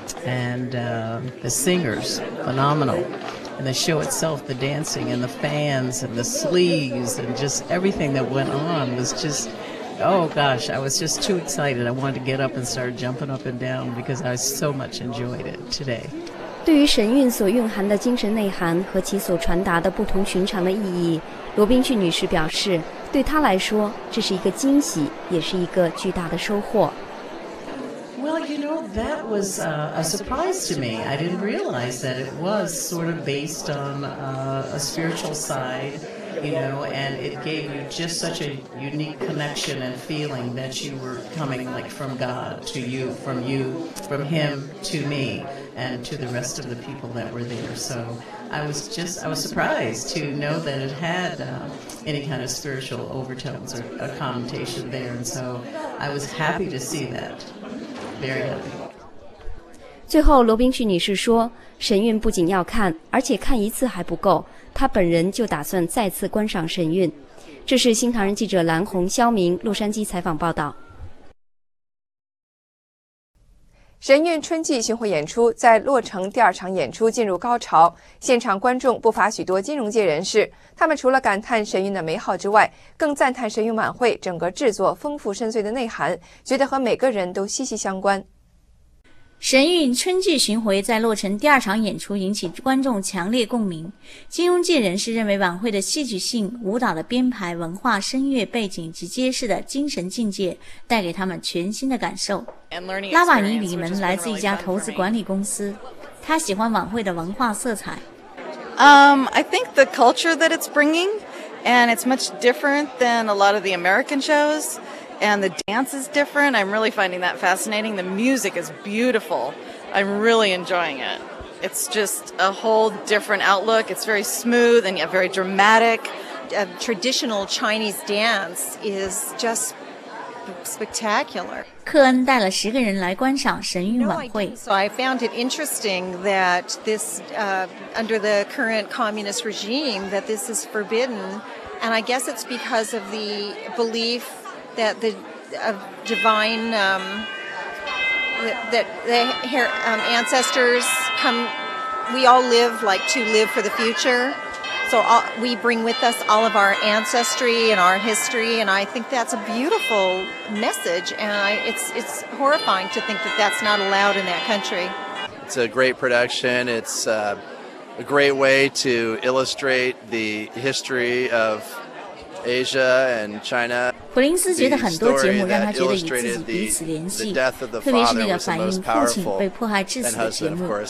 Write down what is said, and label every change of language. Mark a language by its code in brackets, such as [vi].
[en] And the singers, phenomenal. And the show itself, the dancing and the fans and the sleeves and just everything that went on was just, oh gosh, I was just too excited. I wanted to get up and start jumping up and down because I so much enjoyed it today. [zh] 对于神韵所蕴含的精神内涵和其所传达的不同寻常的意义，罗宾逊女士表示，对她来说，这是一个惊喜，也是一个巨大的收获。 [en] Well, you know, that was a surprise to me. I didn't realize that it was sort of based on a spiritual side, you know, and it gave you just such a unique connection and feeling that you were coming like from God to you, from you, from Him to me. And to the rest of the people that were there. So I was surprised to know that it had any kind of spiritual overtones or a connotation there. And so I was happy to see that. Very happy. [zh] 最后罗宾逊女士说，神韵不仅要看，而且看一次还不够，她本人就打算再次观赏神韵。这是新唐人记者蓝红、肖明洛杉矶采访报道。神韵春季巡回演出在洛城第二场演出进入高潮，现场观众不乏许多金融界人士，他们除了感叹神韵的美好之外，更赞叹神韵晚会整个制作丰富深邃的内涵，觉得和每个人都息息相关。神韵春季巡回在洛城第二场演出引起观众强烈共鸣，金融界人士认为晚会的戏剧性、舞蹈的编排、文化声乐背景及揭示的精神境界带给他们全新的感受。拉瓦尼里门来自一家投资管理公司，他喜欢晚会的文化色彩。 [en] I think the culture that it's bringing, and it's much different than a lot of the American shows. And the dance is different. I'm really finding that fascinating. The music is beautiful. I'm really enjoying it. It's just a whole different outlook. It's very smooth and yet very dramatic. A traditional Chinese dance is just spectacular. [zh] 克恩带了十个人来观赏神韵晚会。 [en] So I found it interesting that this, under the current communist regime, that this is forbidden. And I guess it's because of the belief. That the divine, that the ancestors come, we all live like to live for the future. So all, we bring with us all of our ancestry and our history. And I think that's a beautiful message. And it's horrifying to think that that's not allowed in that country. It's a great production. It's a great way to illustrate the history of Asia and China. [zh] 普林斯觉得很多节目让他觉得与自己彼此联系，特别是那个反映父亲被迫害致死的节目。